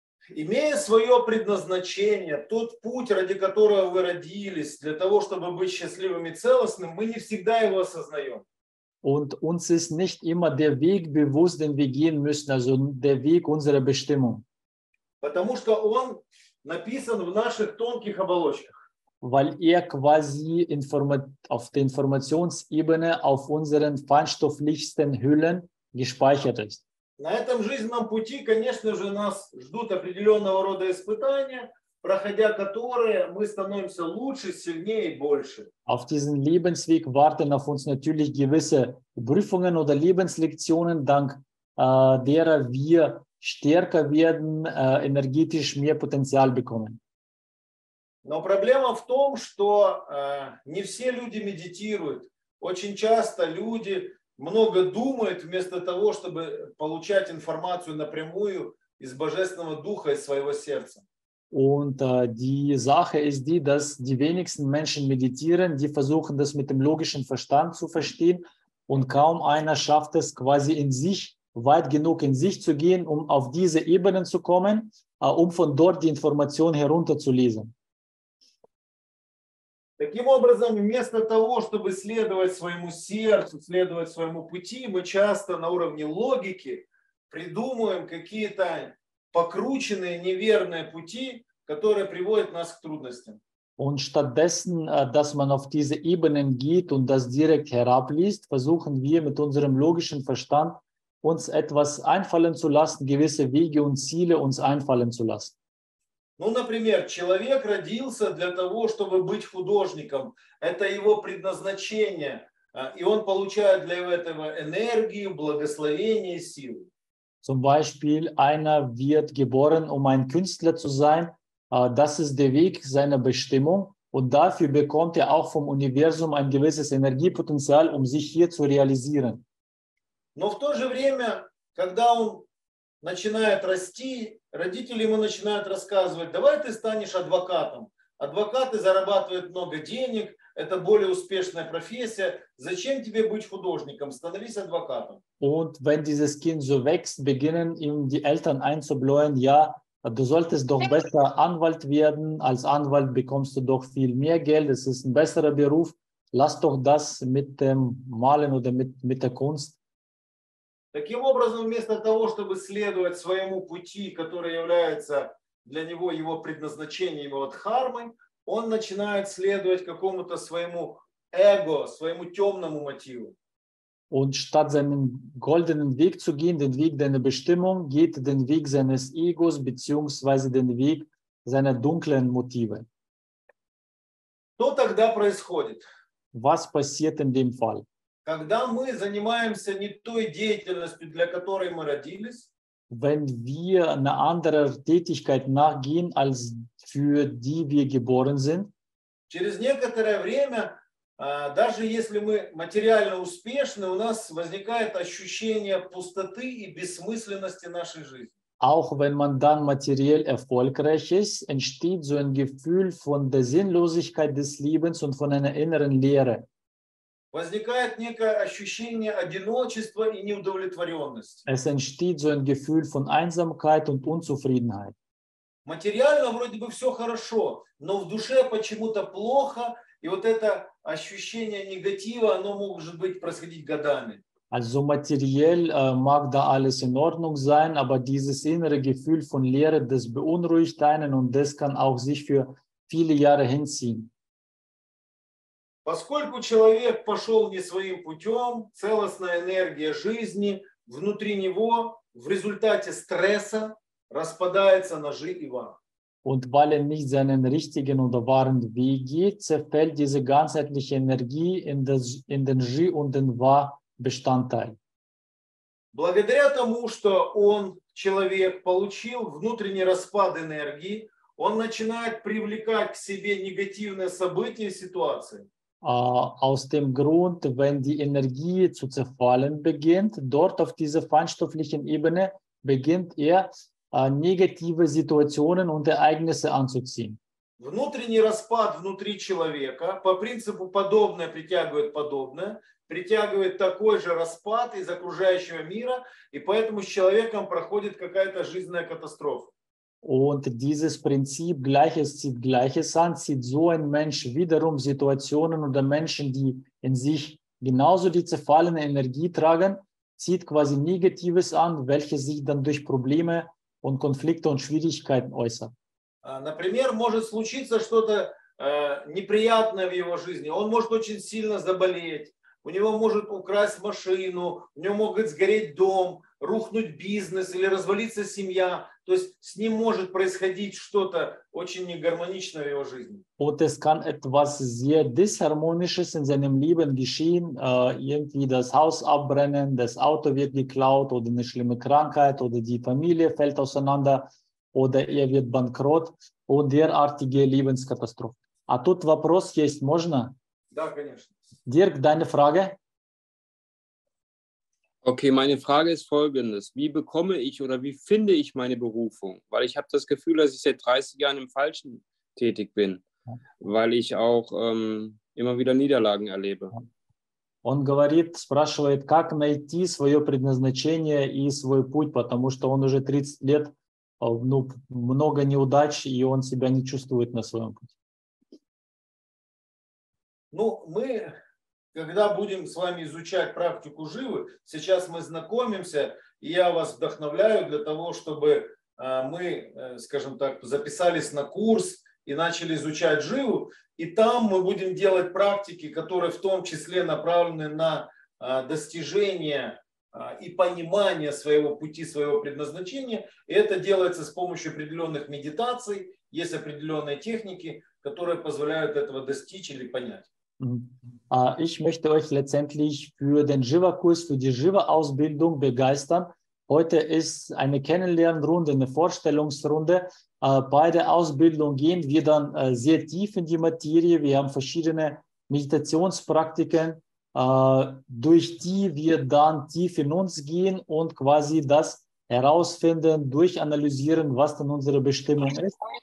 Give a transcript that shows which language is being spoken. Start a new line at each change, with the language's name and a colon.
Russian: Имея свое предназначение, тот путь, ради которого вы родились, для того, чтобы быть счастливыми и целостными, мы не всегда его осознаем.
German: Und uns ist nicht immer der Weg bewusst, den wir gehen müssen, also der Weg unserer Bestimmung.
Russian: Потому что он написан в наших тонких оболочках.
German: Weil quasi auf der Informationsebene, auf unseren feinstofflichsten Hüllen gespeichert ist.
Russian: На этом жизненном пути, конечно же, нас ждут определенного рода испытания, проходя которые мы становимся лучше, сильнее и больше.
German: Auf diesem Lebensweg warten auf uns natürlich gewisse Prüfungen oder Lebenslektionen, dank derer wir stärker werden, energetisch mehr Potenzial bekommen.
Russian: Но проблема в том, что не все люди медитируют. Очень часто люди много думает вместо того, чтобы получать информацию напрямую из Божественного Духа и своего сердца.
German: Und die Sache ist die, dass die wenigsten Menschen meditieren, die versuchen das mit dem logischen Verstand zu verstehen und kaum einer schafft es quasi in sich, weit genug in sich zu gehen, um auf diese Ebenen zu kommen, um von dort die Information herunterzulesen.
Russian: Таким образом, вместо того, чтобы следовать своему сердцу, следовать своему пути, мы часто на уровне логики придумываем какие-то покрученные неверные пути, которые приводят нас к трудностям.
German: Und stattdessen, dass man auf diese Ebenen geht und das direkt herabliest, versuchen wir mit unserem logischen Verstand uns etwas einfallen zu lassen, gewisse Wege und Ziele uns einfallen zu lassen.
Russian: Ну, например, человек родился для того, чтобы быть художником. Это его предназначение, и он получает для этого энергию, благословение, силу.
German: Zum Beispiel, einer wird geboren, um ein Künstler zu sein. Das ist der Weg seiner Bestimmung und dafür bekommt er auch vom Universum ein gewisses Energiepotenzial, um sich hier zu realisieren.
Russian: Но в то же время, когда он начинает расти, родители ему начинают рассказывать: давай ты станешь адвокатом. Адвокаты зарабатывают много денег, это более успешная профессия. Зачем тебе быть художником? Становись адвокатом.
German: Und wenn dieses Kind so wächst, beginnen ihm die Eltern einzubläuen, ja, du solltest doch besser Anwalt werden. Als Anwalt bekommst du doch viel mehr Geld. Es ist ein besserer Beruf. Lass doch das mit dem Malen oder mit der Kunst.
Russian: Таким образом, вместо того, чтобы следовать своему пути, который является для него его предназначением, его дхармой, он начинает следовать какому-то своему эго, своему темному мотиву.
German: Und statt seinen goldenen Weg zu gehen, den Weg deiner Bestimmung, geht den Weg seines Egos beziehungsweise den Weg seiner dunklen Motive.
Russian: Что тогда происходит?
German: Was passiert in dem Fall?
Russian: Когда мы занимаемся не той деятельностью, для которой мы родились,
German: wenn wir einer anderen Tätigkeit nachgehen, als für die wir geboren sind,
Russian: через некоторое время, даже если мы материально успешны, у нас возникает ощущение пустоты и бессмысленности нашей жизни.
German: Auch wenn man dann materiell erfolgreich ist, entsteht so ein Gefühl von der Sinnlosigkeit des Lebens und von einer inneren Leere.
Russian: Возникает некое ощущение одиночества и неудовлетворенности.
German: Es entsteht so ein Gefühl von Einsamkeit und Unzufriedenheit.
Russian: Материально вроде бы все хорошо, но в душе почему-то плохо. И вот это ощущение негатива, оно может быть происходить годами.
German: Also materiell mag da alles in Ordnung sein, aber dieses innere Gefühl von Leere, das beunruhigt einen und das kann auch sich für viele Jahre hinziehen.
Russian: Поскольку человек пошел не своим путем, целостная энергия жизни внутри него в результате стресса распадается на жи и ва.
German: Und weil er nicht seinen richtigen oder wahren Weg geht, zerfällt diese ganzheitliche Energie in den Ji und den Wa Bestandteil.
Russian: Благодаря тому, что он, человек, получил внутренний распад энергии, он начинает привлекать к себе негативные события и ситуации.
German: Aus dem Grund, wenn die Energie zu zerfallen beginnt, dort auf dieser feinstofflichen Ebene beginnt er, negative Situationen und Ereignisse anzuziehen.
Russian: Внутренний распад внутри человека по принципу подобное притягивает подобное, притягивает такой же распад из окружающего мира, и поэтому с человеком проходит какая-то жизненная катастрофа.
German: Und dieses Prinzip Gleiches zieht Gleiches an, zieht so ein Mensch wiederum Situationen oder Menschen, die in sich genauso die zerfallene Energie tragen, zieht quasi Negatives an, welches sich dann durch Probleme und Konflikte und Schwierigkeiten äußern.
Russian: Например, может случиться что-то неприятное в его жизни. Он может очень сильно заболеть. У него может украсть машину. У него может сгореть дом, рухнуть бизнес или развалиться семья. То есть с ним может происходить что-то очень негармоничное в его жизни.
German: Вот es kann etwas sehr Disharmonisches in seinem Leben geschehen. Irgendwie das Haus abbrennen, das Auto wird geklaut oder eine schlimme Krankheit oder die Familie fällt auseinander oder er wird bankrott und derartige Lebenskatastrophe.
Russian: А тут вопрос есть, можно? Да, конечно.
German: Dirk, deine Frage? Okay, meine Frage ist folgendes. Wie bekomme ich oder wie finde ich meine Berufung? Weil ich habe das Gefühl, dass ich seit 30 Jahren im Falschen tätig bin, weil ich auch immer wieder Niederlagen erlebe.
Russian: Он говорит, спрашивает, как найти свое предназначение и свой путь, потому что он уже 30 лет, ну, много неудач, и он себя не чувствует на своем пути. Ну, мы, когда будем с вами изучать практику живы, сейчас мы знакомимся, и я вас вдохновляю для того, чтобы мы, скажем так, записались на курс и начали изучать живу. И там мы будем делать практики, которые в том числе направлены на достижение и понимание своего пути, своего предназначения. И это делается с помощью определенных медитаций, есть определенные техники, которые позволяют этого достичь или понять.
German: Ich möchte euch letztendlich für den Jiva-Kurs, für die Jiva-Ausbildung begeistern. Heute ist eine Kennenlernrunde, eine Vorstellungsrunde. Bei der Ausbildung gehen wir dann sehr tief in die Materie. Wir haben verschiedene Meditationspraktiken, durch die wir dann tief in uns gehen und quasi das herausfinden, durchanalysieren, was dann unsere Bestimmung ist.